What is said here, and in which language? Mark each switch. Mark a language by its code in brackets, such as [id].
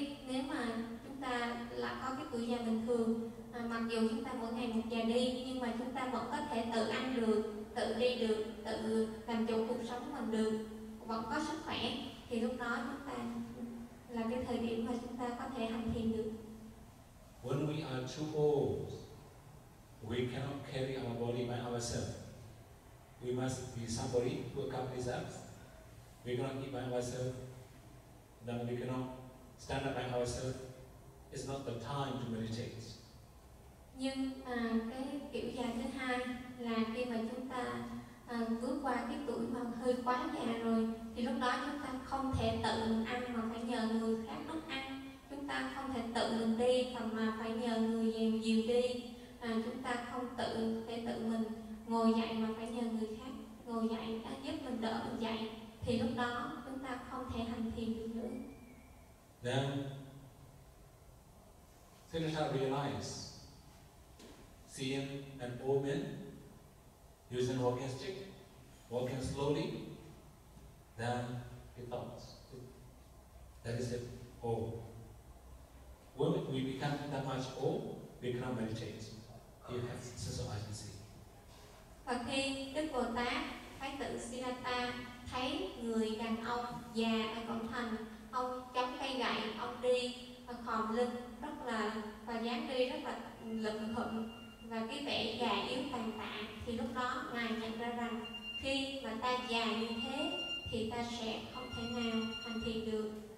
[vi] Nếu mà chúng ta là có cái tuổi già bình thường, mặc dù chúng ta mỗi ngày một già đi, nhưng mà chúng ta vẫn có thể tự ăn được, tự đi được, tự làm chủ cuộc sống mình được, vẫn có sức khỏe, thì lúc đó chúng ta là cái thời điểm mà chúng ta có thể hành thiền được. [en] When we are too old, we cannot carry our body by ourselves. We must be somebody who accompanies us. We cannot eat by ourselves. Then we cannot stand up by ourselves. It's not the time to meditate. [vi] Nhưng cái kiểu già thứ hai là khi mà chúng ta bước qua cái tuổi mà hơi quá già rồi, thì lúc đó chúng ta không thể tự mình ăn mà phải nhờ người khác nấu ăn. Chúng ta không thể tự mình đi mà phải nhờ người dìu đi. Chúng ta không tự thể tự mình ngồi dậy mà phải nhờ người khác ngồi dậy đã giúp mình đỡ mình dậy, thì lúc đó chúng ta không thể hành thiền được nữa. [en] Then Siddhartha realized, seeing an old man using walking stick, walking slowly, then he thought, that is it, old. When we become that much old, we cannot meditate. He has such a high disease. [vi] Và khi Đức Bồ Tát Thái tử Siddhartha thấy người đàn ông già ở cổng thành, ông chống cây gậy, ông đi và khòm lưng rất là và dáng đi rất là lụm hụm và cái vẻ già yếu tàn tạ, thì lúc đó ngài nhận ra rằng khi mà ta già như thế thì ta sẽ không thể nào hành thiền được.